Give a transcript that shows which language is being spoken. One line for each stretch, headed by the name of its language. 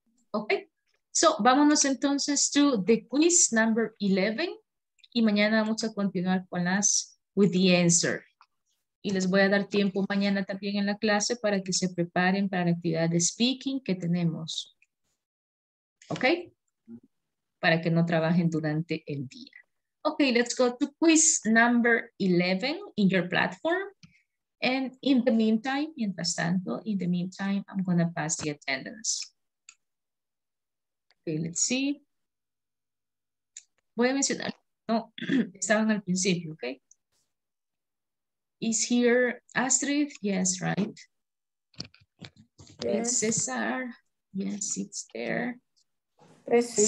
English: Okay, so
Spanish: vámonos entonces
English: to the quiz number 11
Spanish: y mañana vamos a continuar con las
English: with the answer.
Spanish: Y les voy a dar tiempo mañana también en la clase para que se preparen para la actividad de speaking que tenemos. Okay, para que no trabajen durante el día.
English: Okay, let's go to quiz number 11 in your platform. And in the meantime,
Spanish: mientras tanto,
English: in the meantime, I'm going to pass the attendance. Okay, let's see.
Spanish: Voy a mencionar, no, estaban al principio, okay?
English: Is here Astrid? Yes, right? Yes. Cesar? Yes, it's there. Present.